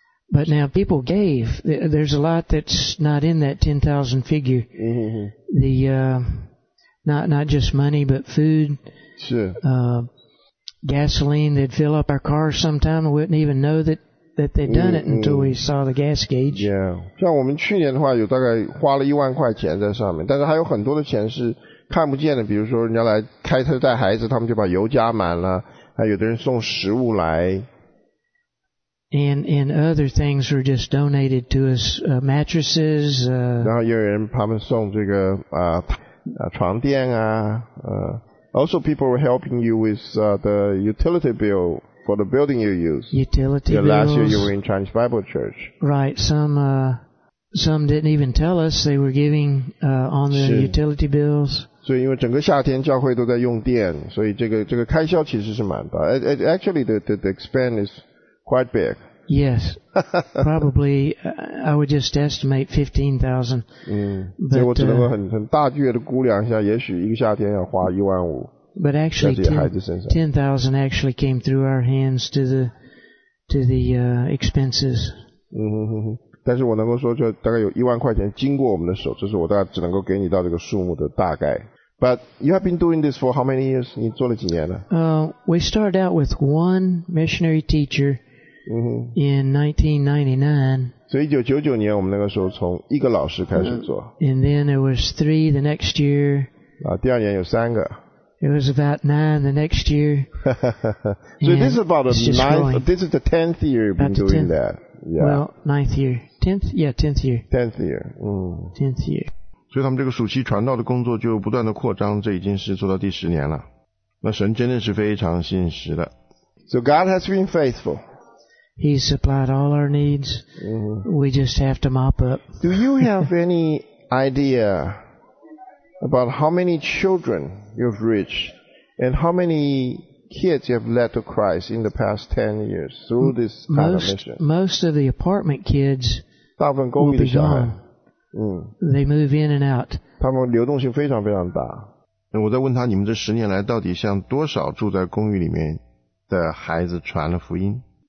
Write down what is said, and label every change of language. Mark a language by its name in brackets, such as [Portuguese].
[English] But now people gave. There's a lot that's not in that $10,000 figure. Not just money, but food. Gasoline, they'd fill up our car sometime and wouldn't even know that they'd done it until we saw the gas gauge. Yeah. [Chinese] 像我们去年的话有大概花了10,000块钱在上面，但是还有很多的钱是看不见的，比如说人家来开车带孩子，他们就把油加满了，还有的人送食物来。 [English] And other things were just donated to us, mattresses, [Chinese] 然后有人他们送这个床垫啊， [English] Also, people were helping you with the utility bill for the building you use. Utility bills. Last year you were in Chinese Bible Church. Right. Some didn't even tell us they were giving on the utility bills. [Chinese] 所以因为整个夏天教会都在用电，所以这个开销其实是蛮大。 [English] Actually, the expense is quite big. Yes. Probably, I would just estimate $15,000. [Chinese] 我只能够很大约的估量一下，也许一个夏天要花15,000。 [English] But actually, $10,000 actually came through our hands to the expenses. [Chinese] 但是我能够说，就大概有10,000块钱经过我们的手，这是我大概只能够给你到这个数目的大概。 [English] But you have been doing this for how many years? [Chinese] 你做了几年了？ [English] We started out with one missionary teacher. In 1999. [Chinese] 所以1999年我们那个时候从一个老师开始做。 [English] And then there was three the next year. [Chinese] 第二年有三个。 [English] It was about nine the next year. So this is about this is the 10th year you've been doing that. Yeah. Well, 9th year. 10th? Yeah, 10th year. 10th year. 10th year. [Chinese] 所以他们这个暑期传道的工作就不断的扩张，这已经是做到第10年了。那神真的是非常信实的。 [English] So God has been faithful. He supplied all our needs. We just have to mop up. Do you have any idea about how many children you've reached and how many kids you have led to Christ in the past 10 years through this kind of mission? Most of the apartment kids will be gone. They move in and out. [Chinese] 他们流动性非常非常大。我在问他，你们这十年来到底向多少住在公寓里面的孩子传了福音？